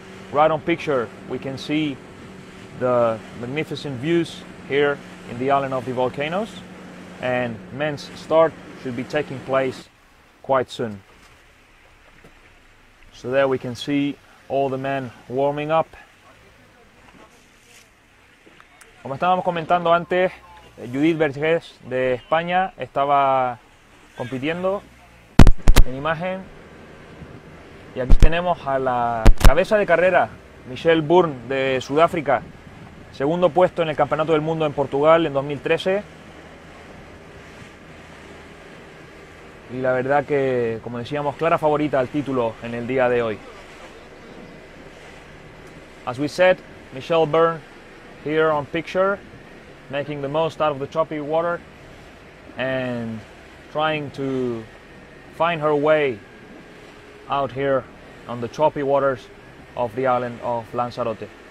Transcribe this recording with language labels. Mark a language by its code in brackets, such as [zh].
[en] Right on picture, we can see the magnificent views here in the island of the volcanoes, and men's start should be taking place quite soon. So there we can see all the men warming up. [es] Como estábamos comentando antes, Judith Vergès de España estaba compitiendo en imagen, y aquí tenemos a la cabeza de carrera, Michelle Byrne de Sudáfrica. Segundo puesto en el Campeonato del Mundo en Portugal en 2013. Y la verdad que, como decíamos, clara favorita al título en el día de hoy. [en] As we said, Michelle Byrne here on picture, making the most out of the choppy water and trying to find her way out here on the choppy waters of the island of Lanzarote.